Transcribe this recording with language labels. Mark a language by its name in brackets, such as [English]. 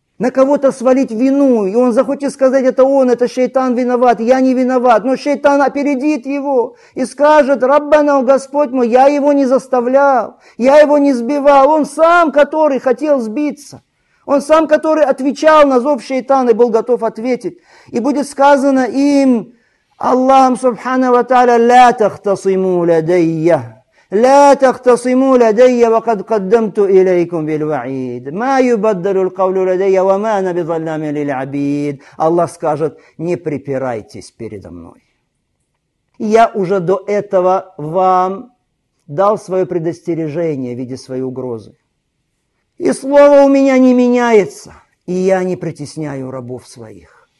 [Russian] На кого-то свалить вину, и он захочет сказать: это он, это шайтан виноват, я не виноват. Но шайтан опередит его и скажет: «Раббана, Господь мой, я его не заставлял, я его не сбивал». Он сам, который хотел сбиться, он сам, который отвечал на зов шайтана и был готов ответить. И будет сказано им: [Arabic] اللهم سبحانه وتعالى لا تختصموا لدي، لا تختصموا لدي وقد قدمت إليكم بالوعيد، ما يبدل القول لدي وما أنا بظلام للعبيد. [Russian] الله скажет: не припирайтесь передо мной. Я уже до этого вам дал свое предостережение в виде своей угрозы. И слово у меня не меняется, и я не притесняю рабов своих.